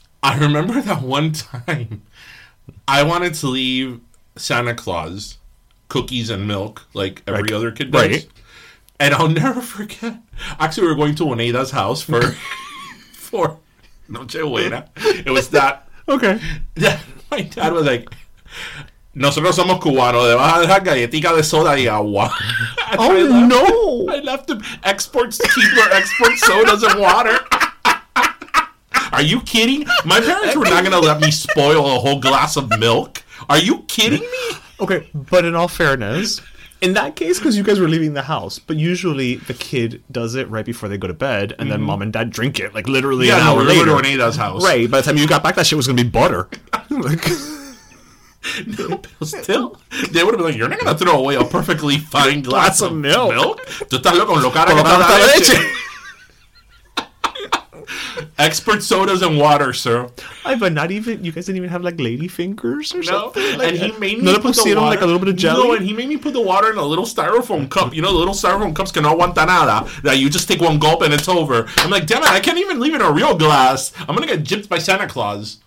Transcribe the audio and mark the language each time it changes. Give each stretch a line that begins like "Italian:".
English: I remember that one time I wanted to leave Santa Claus cookies and milk like every other kid does. Right. And I'll never forget. Actually, we were going to Oneida's house for Noche Buena. It was that. Okay. That my dad was like,
Spanish: nosotros somos cubanos. Le vas a dejar galletica de soda y agua.
English: I left him exports cheaper export sodas and water. Are you kidding? My parents were not going to let me spoil a whole glass of milk. Are you kidding me? Okay, but in all fairness, In that case, because you guys were leaving the house, but usually the kid does it right before they go to bed, and then mom and dad drink it, like, literally an hour later. Yeah, no, we're going to Renata's house. Right, by the time you got back, that shit was going to be butter. Like, no, but still, they would have been like, you're not going to throw away a perfectly fine glass of milk.
Spanish: Tú estás loco, lo cara que está la leche.
English: Expert sodas and water, sir. I but not even you guys didn't even have like lady fingers or something. Like, and he made me put the water, like a little bit of jelly. No, and he made me put the water in a little styrofoam cup. You know, the little styrofoam cups
Spanish: que no aguanta nada.
English: That you just take one gulp and it's over. I'm like, damn it, I can't even leave it in a real glass. I'm gonna get gypped by Santa Claus.